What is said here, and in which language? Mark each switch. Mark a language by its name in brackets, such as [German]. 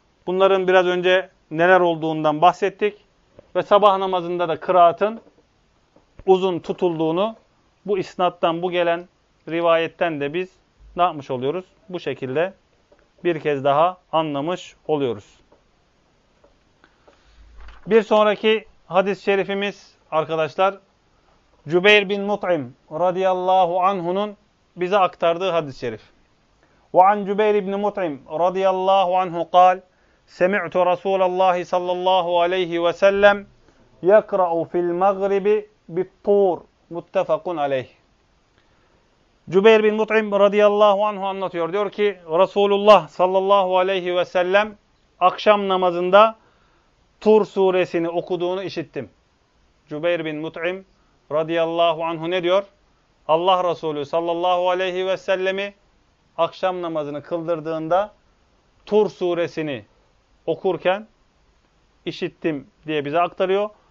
[Turkish] Bunların biraz önce neler olduğundan bahsettik. Ve sabah namazında da kıraatın uzun tutulduğunu bu isnattan, bu gelen rivayetten de biz ne yapmış oluyoruz? Bu şekilde bir kez daha anlamış oluyoruz. Bir sonraki hadis-i şerifimiz arkadaşlar Cübeyr bin Mut'im radıyallahu anhu'nun bize aktardığı hadis-i şerif. [Arabic] وَعَنْ جُبَيْرِ بْنِ مُطْعِمْ رَضِيَ اللّٰهُ عَنْهُ قَالْ سَمِعْتُ رَسُولَ اللّٰهِ صَلَّى اللّٰهُ عَلَيْهِ وَسَلَّمْ يَقْرَعُ فِي الْمَغْرِبِ بِالطُّورِ مُتَّفَقٌ عَلَيْهِ [Turkish] Cübeyr bin Mut'im radıyallahu anhu anlatıyor. Diyor ki Resulullah sallallahu aleyhi ve sellem akşam namazında Tur suresini okuduğunu işittim. Cübeyr bin Mut'im radıyallahu anhu ne diyor? Allah Resulü sallallahu aleyhi ve sellemi akşam namazını kıldırdığında Tur suresini okurken işittim diye bize aktarıyor.